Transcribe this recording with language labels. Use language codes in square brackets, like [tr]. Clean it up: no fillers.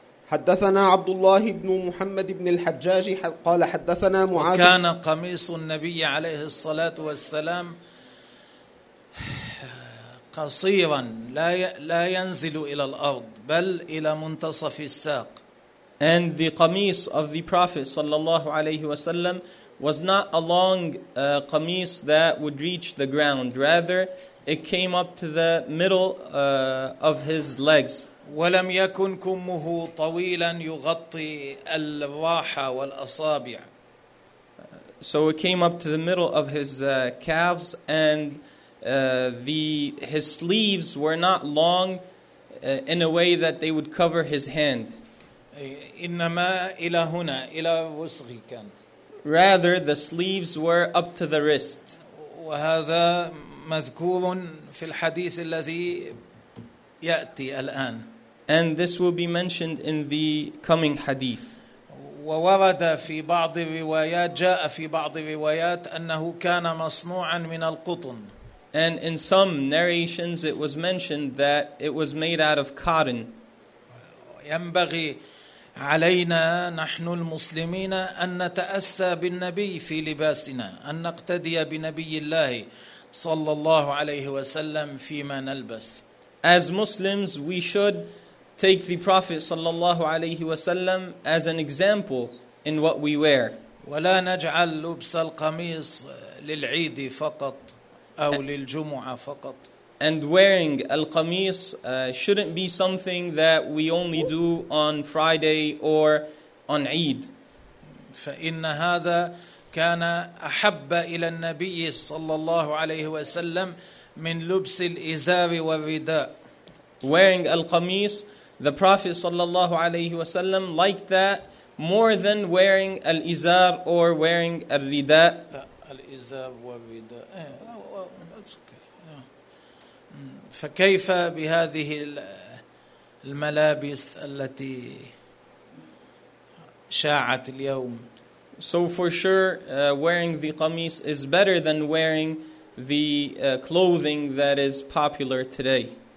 [ar] حدثنا عبد الله بن محمد بن الحجاج قال حدثنا معاذ. كان قميص النبي عليه الصلاة والسلام قصيرا لا ينزل إلى الأرض بل إلى منتصف الساق. [en] And the قميص of the Prophet [ar] صلى الله عليه وسلم [en] was not a long قميص that would reach the ground. Rather, it came up to the middle of his legs. [ar] ولم يكن كمه طويلا يغطي الراحة والأصابع. [en] So it came up to the middle of his calves, and his sleeves were not long in a way that they would cover his hand. [ar] إنما إلى هنا إلى وسغ كان. [en] Rather, the sleeves were up to the wrist. [ar] وهذا مذكور في الحديث الذي يأتي الآن. [en] And this will be mentioned in the coming hadith. [ar] وورد في بعض الروايات جاء في بعض الروايات أنه كان مصنوعا من القطن. [en] And in some narrations it was mentioned that it was made out of cotton. [ar] ينبغي علينا نحن المسلمين أن نتأسى بالنبي في لباسنا أن نقتدي بنبي الله صلى الله عليه وسلم فيما نلبس. [en] As Muslims we should take the Prophet sallallahu alayhi wa sallam as an example in what we wear. [ar] ولا نجعل لبس القميص للعيد فقط أو للجمعة فقط. [en] And wearing القميص shouldn't be something that we only do on Friday or on Eid. [ar] فإن هذا كان أحب إلى النبي صلى الله عليه وسلم من لبس الإزار والرداء. [en] Wearing القميص, the Prophet sallallahu alayhi wa sallam liked that more than wearing al-izar or wearing al-rida. [ar] Al-izar wa rida. فكيف بهذه الملابس التي شاعت اليوم. [en] So for sure wearing the qamis is better than wearing the clothing that is popular today.